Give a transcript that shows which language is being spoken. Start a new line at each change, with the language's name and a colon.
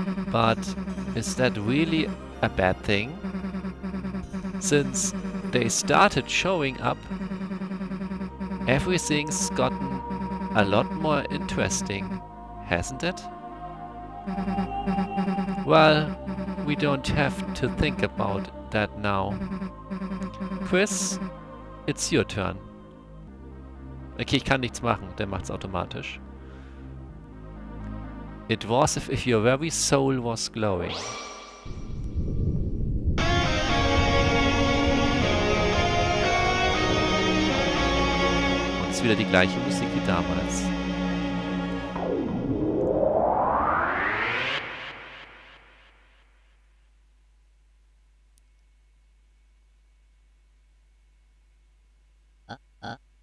English: But is that really... a bad thing, since they started showing up, everything's gotten a lot more interesting, hasn't it? Well, we don't have to think about that now. Chris, it's your turn.
German: Okay, ich kann nichts machen, der macht's automatisch.
English: It was if your very soul was glowing.
German: Und es ist wieder die gleiche Musik wie damals.